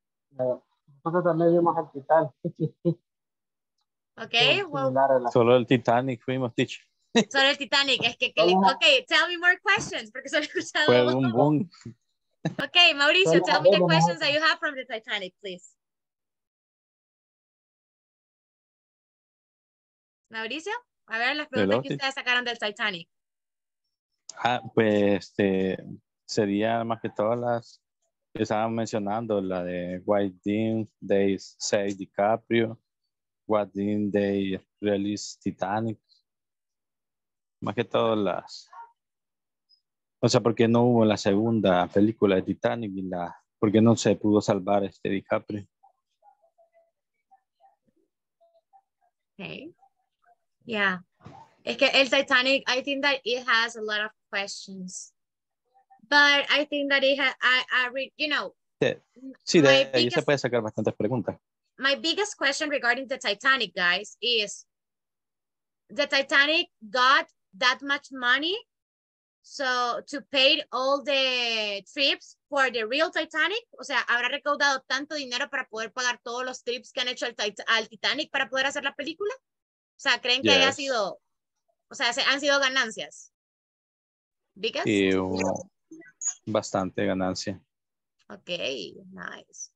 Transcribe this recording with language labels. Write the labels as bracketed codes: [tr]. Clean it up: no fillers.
[es] Nosotros también vimos el Titanic. [en] Okay, well. [es] Solo el Titanic fuimos, Titch. Solo el Titanic, es que okay, [en] tell me more questions, [es] porque solo he escuchado. Fue un boom. [en] Okay, Mauricio, tell me the questions that you have from the Titanic, please. [es] Mauricio, a ver las preguntas que ustedes sacaron del Titanic. Ah, pues sería más que todas las que estaban mencionando, la de [en] why didn't they save DiCaprio, why didn't they release Titanic. [es] Más que todas las. O sea, ¿por qué no hubo la segunda película de Titanic y la por qué no se pudo salvar DiCaprio? [en] Okay. Yeah, [es] es que el Titanic, [en] I think that it has a lot of questions, but I think that it has, [es] Sí, de ahí se puede sacar bastantes preguntas. [en] My biggest question regarding the Titanic, guys, is the Titanic got that much money so to pay all the trips for the real Titanic? [es] O sea, ¿habrá recaudado tanto dinero para poder pagar todos los trips que han hecho al Titanic para poder hacer la película? O sea, ¿creen que haya sido? O sea, ¿han sido ganancias? Because? Y, bastante ganancia. [en] Ok, nice.